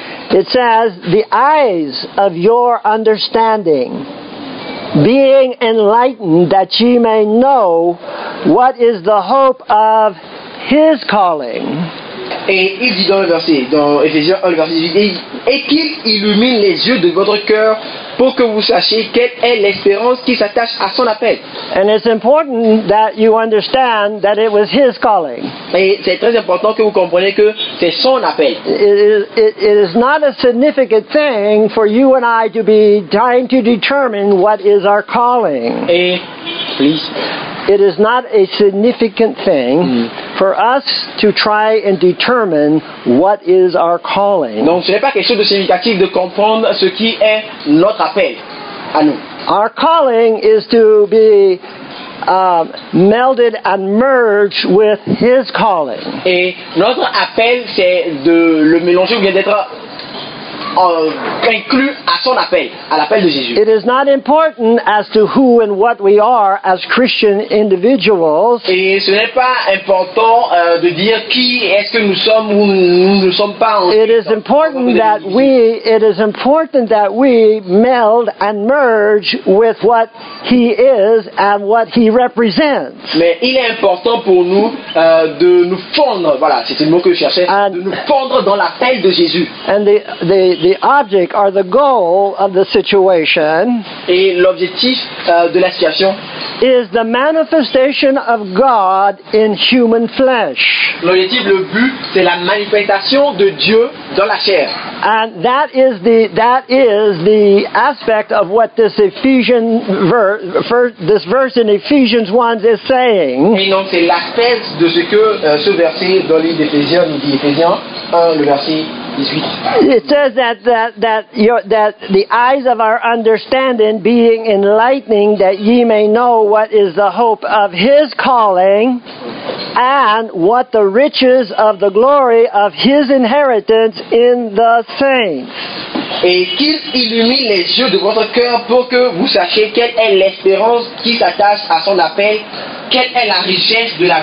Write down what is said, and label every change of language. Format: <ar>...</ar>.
<en>It says, "The eyes of your understanding being enlightened, that ye may know what is the hope of his calling."</en> <fr>Et il dit dans le verset, dans Ephésiens 1, verset 18, et qu'il illumine les yeux de votre cœur pour que vous sachiez quelle est l'espérance qui s'attache à son appel.</fr> <en>And it's important that you understand that it was his calling.</en> <fr>Et c'est très important que vous compreniez que c'est son appel.</fr> <en>It is not a significant thing for you and I to be trying to determine what is our calling. Et, please. It is not a significant thing for us to try and determine what is our calling.</en> <fr>Donc ce n'est pas quelque chose de significatif de comprendre ce qui est notre appel à nous.</fr> <en>Our calling is to be melded and merged with his calling.</en> <fr>Et notre appel c'est de le mélanger ou bien d'être inclus à son appel, à l'appel de Jésus.</fr> <en>It is not important as to who and what we are as Christian individuals.</en> <fr>Et ce n'est pas important de dire qui est-ce que nous sommes ou nous ne sommes pas.</fr> <en>It is important that we meld and merge with what he is and what he represents.</en> <fr>Mais il est important pour nous de nous fondre, voilà, c'est le mot que je cherchais,</fr> <en>and,</en> <fr>de nous fondre dans l'appel de Jésus.</fr> <en>And the object or the goal of the situation,</en> <fr>et l'objectif de la situation</fr> <en>is the manifestation of God in human flesh.</en> <fr>L'objectif, le but, c'est la manifestation de Dieu dans la chair.</fr> <en>And that is the aspect of what this Ephesians this verse in Ephesians 1 is saying.</en> <fr>Et donc c'est l'aspect de ce que ce verset dans l'Épître aux Éphésiens nous dit. Éphésiens 1, le verset.</fr> <en>It says that the eyes of our understanding being enlightened, that ye may know what is the hope of his calling and what the riches of the glory of his inheritance in the saints.</en> <fr>Et qu'il illumine les yeux de votre cœur pour que vous sachiez quelle est l'espérance qui s'attache à son appel, quelle est la richesse de la</fr>